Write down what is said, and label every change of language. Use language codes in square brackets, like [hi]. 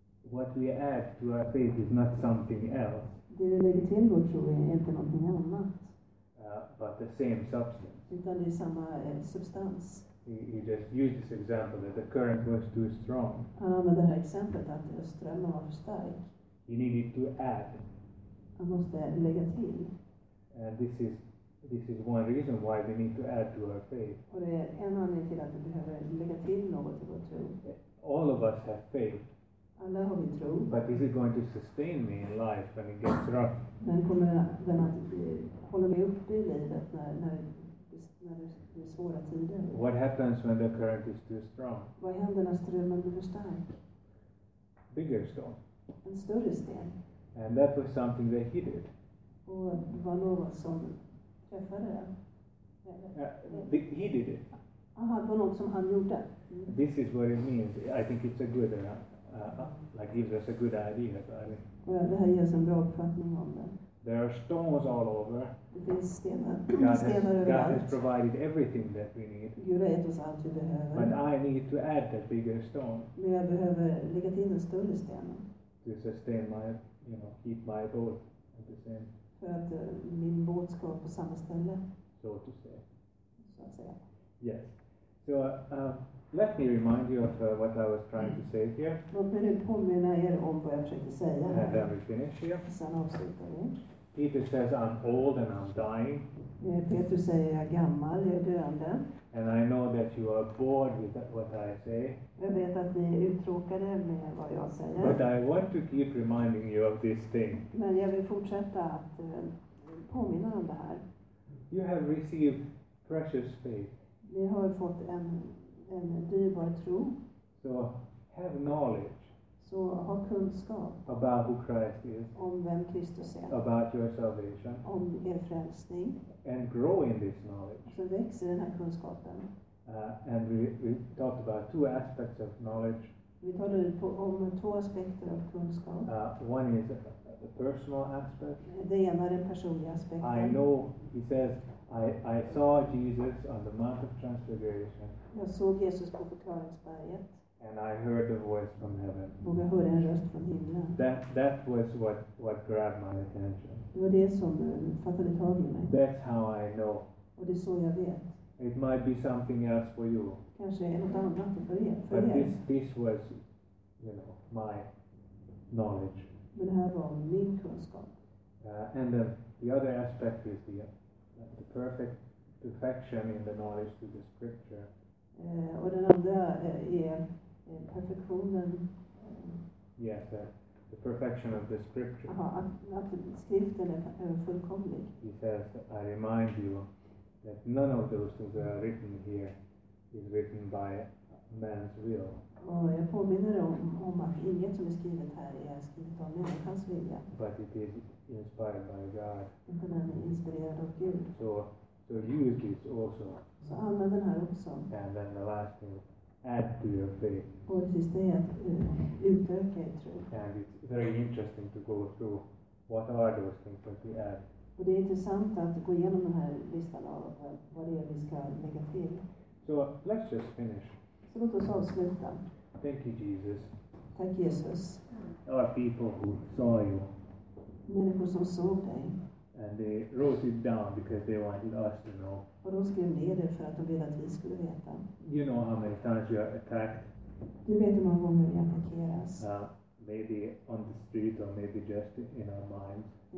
[en] What we add to our faith is not something else. [sv] Det vi lägger till vår tro är inte någonting annat. [en] But the same substance. [sv] Utan det är samma substans. [en] He just used this example that the current was too strong. [sv] Han använde det här exemplet att strömmen var för stark. [en] He needed to add. [sv] Han måste lägga till. [en] And this is one reason why we need to add to our faith. [sv] Och det är en anledning till att vi behöver lägga till något till vår tro. [en] All of us have faith. [sv] Alla har vi tro. [en] But is it going to sustain me in life when it gets rough? [sv] Den kommer den att hålla mig uppe i livet när det är svåra tider. [en] What happens when the current is too strong? [sv] Vad händer när strömmen blir för stark? [en] Bigger storm. [sv] En större sten. [en] And that was something they hit. [sv] Och det var något som träffade den. [en] He did it. [sv] Aha, det var något som han gjorde. [en] This is what it means. I think it's a good enough. Like gives us a good idea about it. [sv] Ja, det här ger oss en bra uppfattning om det. [en] There are stones all over. [sv] Det finns stenar [en] överallt. God has provided everything that we need. [sv] Gud har gett oss allt vi behöver. [en] But I need to add that bigger stone. [sv] Men jag behöver lägga till den större stenen. [en] To sustain my, you know, keep my boat at the same. [sv] För att min båt ska vara på samma ställe. [en] So to say. [sv] Så att säga. [en] Yes. So, let me remind you of what I was trying to say here. [sv] Låt mig nu påminna er om vad jag försökte säga. [en] And then we finish here. [sv] Sen avslutar vi. [en] Peter says, I'm old and I'm dying. [sv] Petrus säger, jag är gammal, jag är döende. [en] And I know that you are bored with what I say. [sv] Jag vet att ni är uttråkade med vad jag säger. [en] But I want to keep reminding you of this thing. [sv] Men jag vill fortsätta att påminna om det här. [en] You have received precious faith. [sv] Ni har fått en dyrbar tro. [en] So have knowledge. [sv] Så ha kunskap. [en] About who Christ is. [sv] Om vem Kristus är. [en] About your salvation. [sv] Om er frälsning. [en] And grow in this knowledge. [sv] Så väx i den här kunskapen. [en] And we talked about two aspects of knowledge. [sv] Vi talade om två aspekter av kunskap. [en] One is a personal aspect. [sv] Det ena är den personliga aspekten. [en] I know, he says, I saw Jesus on the Mount of Transfiguration. [sv] Jag såg Jesus på förklaringsberget. [en] And I heard a voice from heaven. [sv] Och jag hörde en röst från himlen. [en] That was what grabbed my attention. [sv] Det var det som fattade tag i mig. [en] That's how I know. [sv] Och det är så jag vet. [en] It might be something else for you. [sv] Kanske är något annat för er. [en] But this was, you know, my knowledge. [sv] Men det här var min kunskap. [en] And the other aspect is the perfect perfection in the knowledge to the scripture. [sv] Och den andra är perfektionen. [en] Yes, the perfection of the scripture. [sv] Att skriften är fullkomlig. [en] He says, I remind you that none of those things that are written here is written by man's will. [sv] Och jag påminner om att inget som är skrivet här är skrivet av människans vilja. [en] But it is inspired by God. [sv] Utan den är inspirerad av Gud. [en] So use this also. [sv] Så använd den här också. [en] And then the last thing, add to your faith. [sv] Och det sista är att utöka er tro. [en] And it's very interesting to go through what are those things that we add. [sv] Och det är intressant att gå igenom den här listan av vad det är vi ska lägga till. [en] So let's just finish. [sv] Så låt oss avsluta. [en] Thank you, Jesus. [sv] Tack Jesus. [en] Our people who saw you. [sv] Människor som såg dig. [en] And they wrote it down because they wanted us to know. [sv] Och de skrev ner det för att de ville att vi skulle veta. [en] You know how many times you are attacked. [sv] Du vet hur många gånger vi attackeras. [en] Maybe on the street or maybe just in our minds.